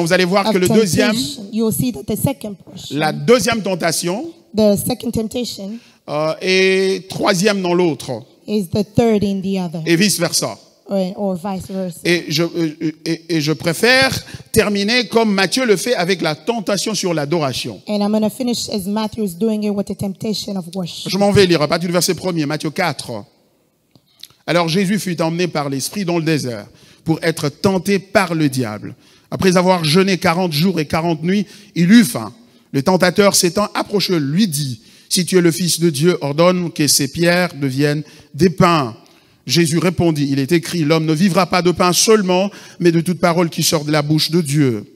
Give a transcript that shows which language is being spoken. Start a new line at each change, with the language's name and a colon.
French: Vous allez voir que la deuxième tentation est troisième dans l'autre.
English: Is the third in the other.
French: Et vice-versa.
English: Or vice versa.
French: Et je préfère terminer comme Matthieu le fait avec la tentation sur l'adoration.
English: And I'm going to finish as Matthew is doing it with the temptation of worship.
French: Je m'en vais lire à partir du verset 1er, Matthieu 4. Alors Jésus fut emmené par l'Esprit dans le désert pour être tenté par le diable. Après avoir jeûné 40 jours et 40 nuits, il eut faim. Le tentateur s'étant approché lui dit, « Si tu es le Fils de Dieu, ordonne que ces pierres deviennent des pains. » Jésus répondit, il est écrit, l'homme ne vivra pas de pain seulement, mais de toute parole qui sort de la bouche de Dieu.